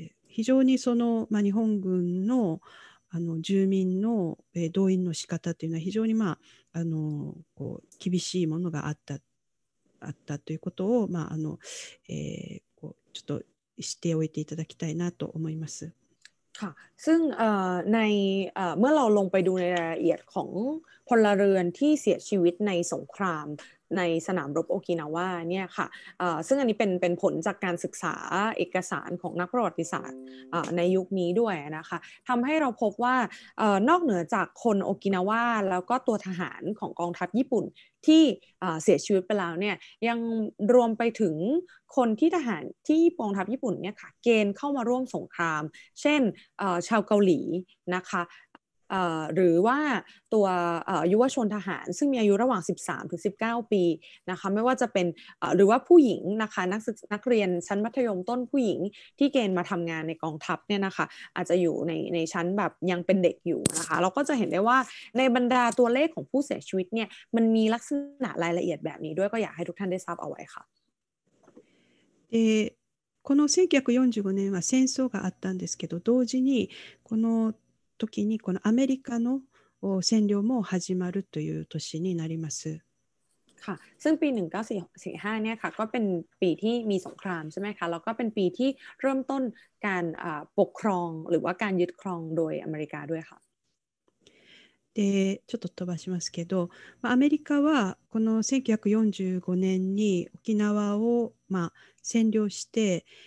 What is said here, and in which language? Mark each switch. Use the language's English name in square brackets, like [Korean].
[Japanese] 非常にその、まあ、日本軍 の, あの住民の、動員の仕方というのは非常に、まあ、あのこう厳しいものがあったということを、まああのこうちょっと知っておいていただきたいなと思います。 [Thai] ค่ะซึ่งในเมื่อเราลงไปดูในรายละเอียดของพลเรือนที่เสียชีวิตในสงครามในสนามรบโอกินาว่าเนี่ยค่ะซึ่งอันนี้เป็นผลจากการศึกษาเอกสารของนักประวัติศาสตร์ในยุคนี้ด้วยนะคะทำให้เราพบว่า นอกเหนือจากคนโอกินาว่าแล้วก็ตัวทหารของกองทัพญี่ปุ่นที่เสียชีวิตไปแล้วเนี่ยยังรวมไปถึงคนที่ทหารที่กองทัพญี่ปุ่นเนี่ยค่ะเกณฑ์เข้ามาร่วมสงครามเช่นชาวเกาหลีนะคะ หรือว่าตัวยุวชนทหารซึ่งมีอายุระหว่าง 13-19 ปีนะคะไม่ว่าจะเป็นหรือว่าผู้หญิงนะคะนักเรียนชั้นมัธยมต้นผู้หญิงที่เกณฑ์มาทำงานในกองทัพเนี่ยนะคะอาจจะอยู่ในชั้นแบบยังเป็นเด็กอยู่นะคะเราก็จะเห็นได้ว่าในบรรดาตัวเลขของผู้เสียชีวิตเนี่ยมันมีลักษณะรายละเอียดแบบนี้ด้วยก็อยากให้ทุกท่านได้ทราบเอาไว้ค่ะ [Japanese] この1945年は戦争があったんですけど同時にこの時にこのアメリカの占領も始まるという年になります。 [Thai] ค่ะซึ่งปี1945เนี่ยค่ะก็เป็นปีที่มีสงครามใช่ไหมคะแล้วก็เป็นปีที่เริ่มต้นการปกครองหรือว่าการยึดครองโดยอเมริกาด้วยค่ะ [Japanese] でちょっと飛ばしますけど、まあ、アメリカはこの1945年に沖縄を、まあ、占領して、